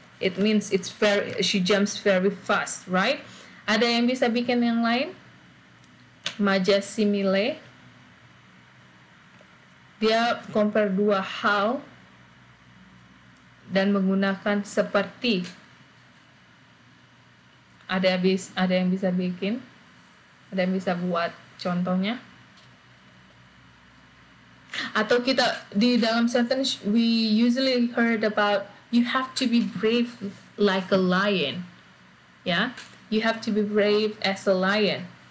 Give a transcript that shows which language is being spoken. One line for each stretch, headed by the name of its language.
English: It means it's very, she jumps very fast, right?
Indonesian: Ada yang bisa bikin yang lain? Majas simile. Dia compare dua hal dan menggunakan seperti. Ada yang bisa bikin? Ada yang bisa buat contohnya? Atau kita di dalam
English: sentence we usually heard about you have to be brave like a lion. Yeah? You have to be brave as a lion.